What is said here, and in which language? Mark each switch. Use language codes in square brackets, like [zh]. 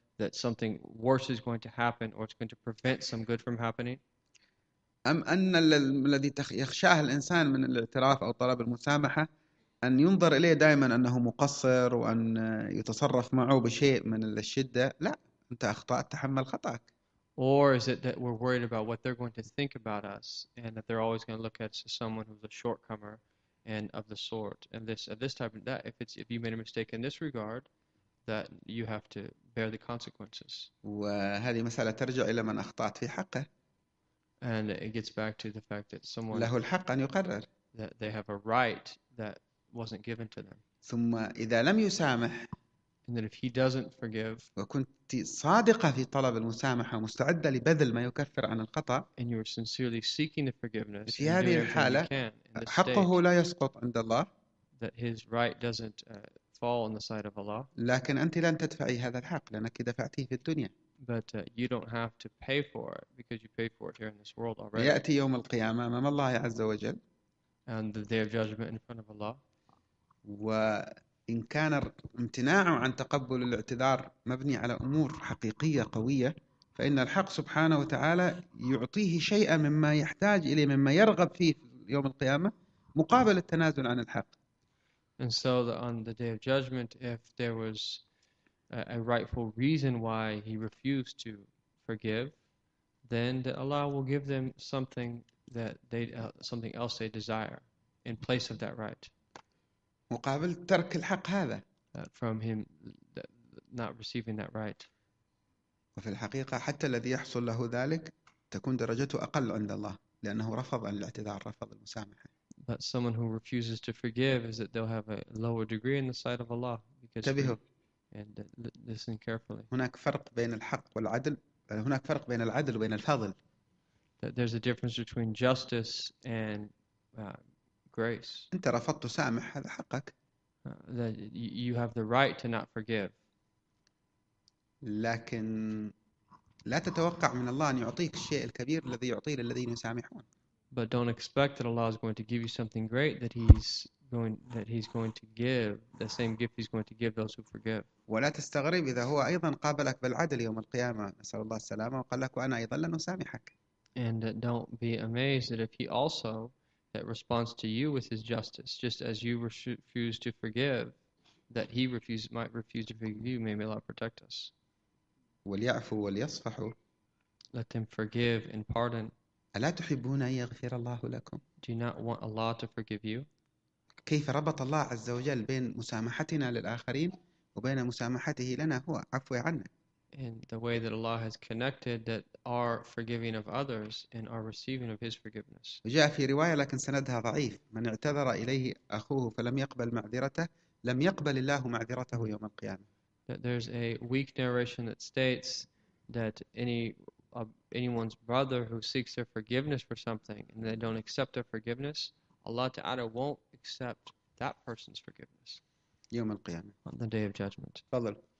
[en] That something worse is going to happen or it's going to prevent some good from happening. [ar] أم أن الذي يخشاه الإنسان من الاعتراف أو طلب المسامحة أن ينظر إليه دائما أنه مقصر وأن يتصرف معه بشيء من الشدة؟ لا، أنت أخطأت، تحمل خطأك. [en] Or is it that we're worried about what they're going to think about us and that they're always going to look at someone who's a shortcomer and of the sort, and this type of that, if you made a mistake in this regard, that you have to bear the consequences. [ar] وهذه مسألة ترجع إلى من أخطأت في حقه. [en] And it gets back to the fact that someone [ar] له الحق أن يقرر. [en] That they have a right that wasn't given to them. [ar] ثم إذا لم يسامح. [en] And that if he doesn't forgive. [ar] وكنت صادقة في طلب المسامحة مستعدة لبذل ما يكفر عن الخطأ. [en] And you're sincerely seeking the forgiveness. [ar] في هذه الحالة حقه لا يسقط عند الله. [en] That his right doesn't fall on the side of Allah. [ar] لكن أنت لن تدفعي هذا الحق لأنك دفعتيه في الدنيا. [en] But you don't have to pay for it because you pay for it here in this world already. [ar] يأتي يوم القيامة أمام الله عز وجل. [en] And the day of judgment in front of Allah. [ar] وإن كان امتناع عن تقبل الاعتذار مبني على أمور حقيقية قوية فإن الحق سبحانه وتعالى يعطيه شيئا مما يحتاج إليه مما يرغب فيه في يوم القيامة مقابل التنازل عن الحق. [en] And so on the day of judgment, if there was a rightful reason why he refused to forgive, then Allah will give them something that they something else they desire in place of that right. [ar] مقابل ترك الحق هذا. [en] From him not receiving that right. [ar] وفي الحقيقة حتى الذي يحصل له ذلك تكون درجته أقل عند الله لأنه رفض الاعتذار رفض المسامحة. [en] That someone who refuses to forgive is that they'll have a lower degree in the sight of Allah. Because [ar] تبهوا. [en] And listen carefully. [ar] هناك فرق بين الحق والعدل. هناك فرق بين العدل وبين الفضل. [en] That there's a difference between justice and grace. [ar] أنت رفضت تسامح هذا حقك. [en] That you have the right to not forgive. [ar] لكن لا تتوقع من الله أن يعطيك الشيء الكبير الذي يعطيه للذين يسامحون. [en] But don't expect that Allah is going to give you something great that he's going to give the same gift he's going to give those who forgive. [ar] ولا تستغرب إذا هو أيضا قابلك بالعدل يوم القيامة نسأل الله السلامة وقال لك وأنا أيضا لن أسامحك. [en] And don't be amazed that if he also that responds to you with his justice just as you refuse to forgive that he refuses might refuse to forgive you may Allah protect us. [ar] وليعفو وليصفحوا. [en] Let them forgive and pardon. [ar] ألا تحبون أن يغفر الله لكم؟ [en] Do you not want Allah to forgive you? [ar] كيف ربط الله عز وجل بين مسامحتنا للآخرين وبين مسامحته لنا هو عفوه عنا؟ [en] And the way that Allah has connected that our forgiving of others and our receiving of His forgiveness. [ar] وجاء في رواية لكن سندها ضعيف من اعتذر إليه أخوه فلم يقبل معذرته لم يقبل الله معذرته يوم القيامة. [en] That there's a weak narration that states that anyone's brother who seeks their forgiveness for something and they don't accept their forgiveness, Allah Ta'ala won't accept that person's forgiveness [ar] يوم القيامة. [en] On the Day of Judgment. [ar] تفضل.